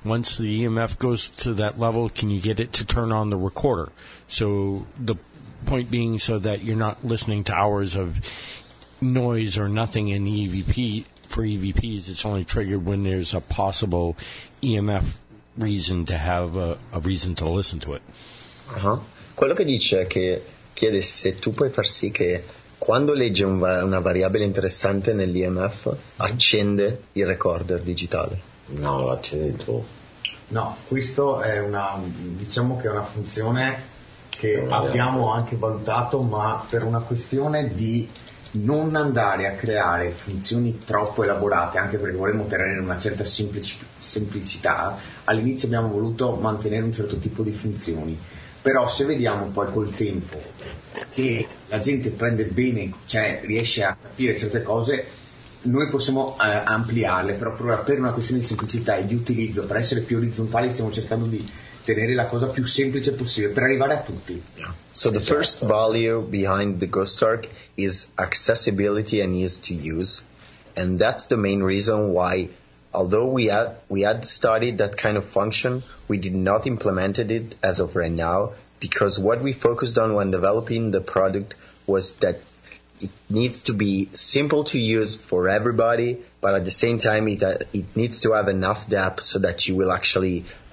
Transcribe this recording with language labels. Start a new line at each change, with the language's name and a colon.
English: Once the EMF goes to that level, can you get it to turn on the recorder? So the point being so that you're not listening to hours of noise or nothing in EVP. For EVPs, it's only triggered when there's a possible EMF reason to have a reason to listen to it. Uh-huh.
Italian: Quello che dice è che chiede se tu puoi far sì che quando legge una variabile interessante nell'IMF, accende il recorder digitale. No, l'accende tu. No, questo è una, diciamo che è una funzione che abbiamo anche valutato, ma per una questione di non andare a creare funzioni troppo elaborate, anche perché vorremmo tenere una certa semplicità, all'inizio abbiamo voluto mantenere un certo tipo di funzioni. Però se vediamo poi col tempo che la gente prende bene, cioè riesce a capire certe cose, noi possiamo ampliarle, però proprio per una questione di semplicità e di utilizzo, per essere più orizzontali, stiamo cercando di tenere la cosa più semplice possibile per arrivare a tutti.
English: So the first value behind the GhostArk is accessibility and ease to use, and that's the main reason why, although we had studied that kind of function, we did not implement it as of right now, because what we focused on when developing the product was that it needs to be simple to use for everybody, but at the same time it needs to have enough depth so that you will actually